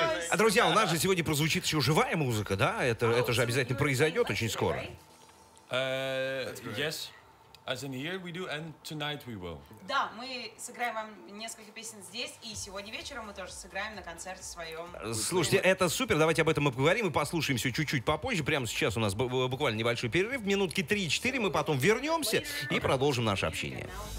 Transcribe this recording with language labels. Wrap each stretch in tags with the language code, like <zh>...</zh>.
<ru>А, друзья, у нас же сегодня прозвучит еще живая музыка, да? Это же обязательно произойдет очень скоро.</ru> <en>Yes, as in here we do, and tonight we will.</en> <ru>Да, мы сыграем вам несколько песен здесь, и сегодня вечером мы тоже сыграем на концерте своем. Слушайте, это супер, давайте об этом мы поговорим и послушаем все чуть-чуть попозже. Прямо сейчас у нас буквально небольшой перерыв, минутки 3-4, мы потом вернемся и продолжим наше общение.</ru>